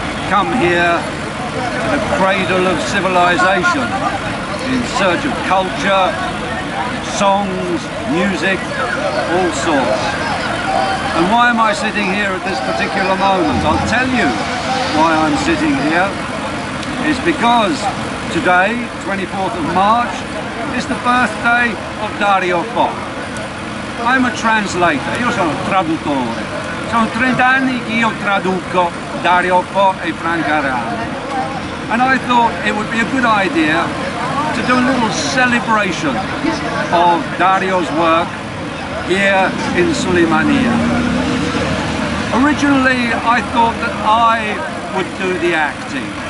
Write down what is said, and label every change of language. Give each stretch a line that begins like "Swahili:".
English: Come here to the cradle of civilization in search of culture, songs, music, all sorts. And why am I sitting here at this particular moment? I'll tell you why I'm sitting here. It's because today, 24th of March, is the birthday of Dario Fo. I'm a translator,
Italian: io sono traduttore. Sono 30 anni che io traduco Dario Fo e Frank Arano.
English: And I thought it would be a good idea to do a little celebration of Dario's work here in Suleimaniyah. Originally, I thought that I would do the acting.